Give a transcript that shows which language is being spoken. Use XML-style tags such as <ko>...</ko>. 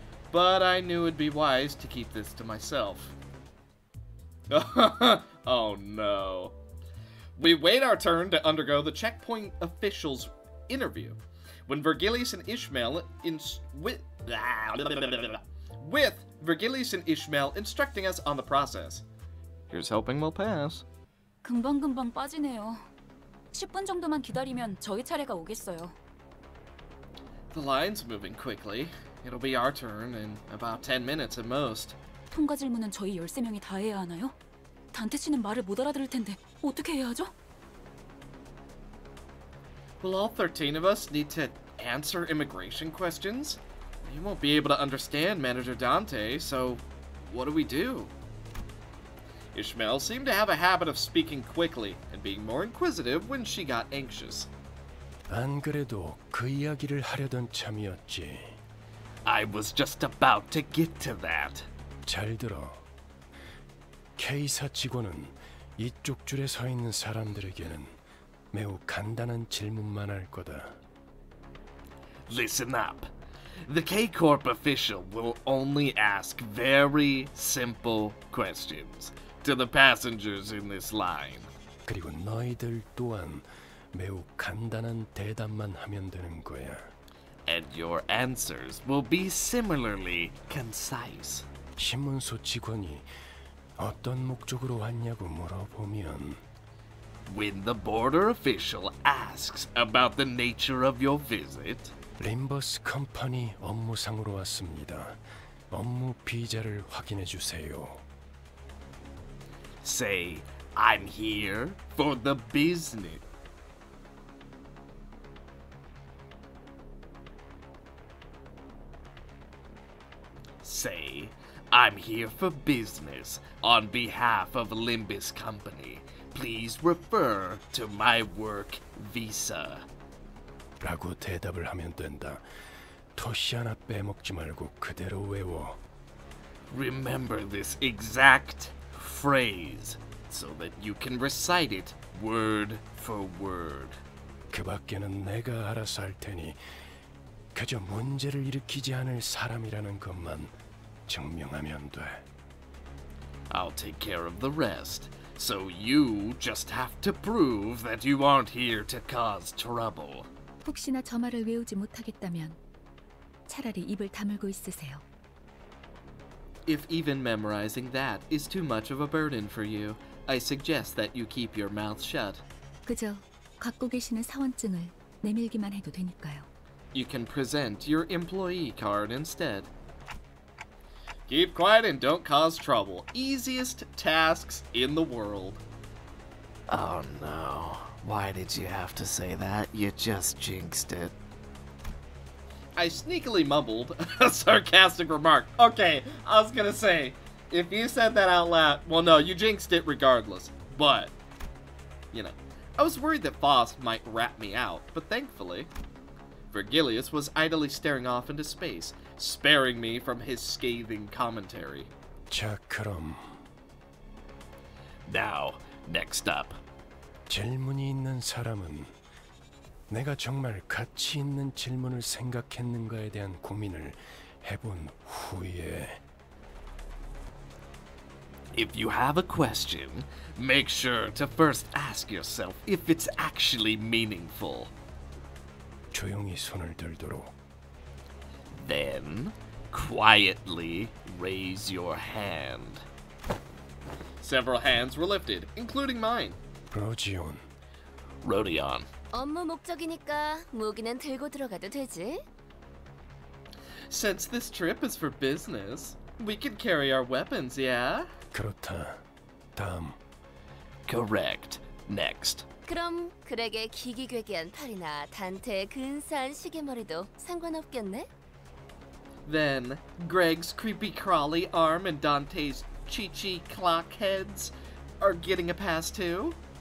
<en>But I knew it'd be wise to keep this to myself. Oh no. We wait our turn to undergo the checkpoint official's interview. With Virgilius and Ishmael instructing us on the process. Here's hoping we'll pass.</en> <ko>금방 빠지네요. 10분 정도만 기다리면 저희 차례가 오겠어요.</ko> <en>The line's moving quickly. It'll be our turn in about 10 minutes at most.</en> <ko>통과 질문은 저희 13명이 다 해야 하나요? 단테 씨는 말을 못 알아들을 텐데 어떻게 해야 하죠?</ko> <en>Will all 13 of us need to answer immigration questions? You won't be able to understand Manager Dante, so what do we do? Ishmael seemed to have a habit of speaking quickly and being more inquisitive when she got anxious.</en> <ko>안 그래도 그 이야기를 하려던 참이었지.</ko> <en>I was just about to get to that.</en> <ko>잘 들어. 케이사 직원은 이쪽 줄에 서 있는 사람들에게는 매우 간단한 질문만 할 거다.</ko> <en>Listen up. The K-Corp official will only ask very simple questions to the passengers in this line.</en> <ko>그리고 너희들 또한 매우 간단한 대답만 하면 되는 거야.</ko> <en>And your answers will be similarly concise.</en> <ko>신문소 직원이 어떤 목적으로 왔냐고 물어보면</ko> <en>When the border official asks about the nature of your visit,</en> <ko>Limbus Company 업무상으로 왔습니다. 업무 비자를 확인해 주세요.</ko> <en>Say, I'm here for the business. 'Say, I'm here for business on behalf of Limbus Company. Please refer to my work visa.'</en> <ko>라고 대답을 하면 된다. 토시 하나 빼먹지 말고 그대로 외워.</ko> <en>Remember this exact phrase so that you can recite it word for word.</en> <ko>그 밖에는 내가 알아서 할 테니 그저 문제를 일으키지 않을 사람이라는 것만 증명하면 돼.</ko> <en>I'll take care of the rest. So you just have to prove that you aren't here to cause trouble.</en> <ko>혹시나 저 말을 외우지 못하겠다면 차라리 입을 다물고 있으세요.</ko> <en>If even memorizing that is too much of a burden for you, I suggest that you keep your mouth shut.</en> <ko>그저 갖고 계시는 사원증을 내밀기만 해도 되니까요.</ko> <en>You can present your employee card instead. Keep quiet and don't cause trouble. Easiest tasks in the world. Oh no. Why did you have to say that? You just jinxed it. I sneakily mumbled a sarcastic remark. Okay, I was gonna say, if you said that out loud, well no, you jinxed it regardless. But, you know, I was worried that Foss might rat me out, but thankfully, Virgilius was idly staring off into space, sparing me from his scathing commentary. Chakram. Now, next up.</en> <ko>질문이 있는 사람은 내가 정말 가치 있는 질문을 생각했는가에 대한 고민을 해본 후에</ko> <en>If you have a question, make sure to first ask yourself if it's actually meaningful.</en> <ko>조용히 손을 들도록</ko> <en>Then, quietly raise your hand. Several hands were lifted, including mine. Rodion. Rodion.</en> <ko>업무 목적이니까 무기는 들고 들어가도 되지?</ko> <en>Since this trip is for business, we can carry our weapons, yeah?</en> <ko>그렇다. 다음.</ko> <en>Correct. Next.</en> <ko>그럼 그렉의 기기괴괴한 팔이나 단테의 근사한 시계머리도 상관없겠네?</ko> <en>Then, Greg's creepy crawly arm and Dante's chi-chi clock heads are getting a pass too?</en>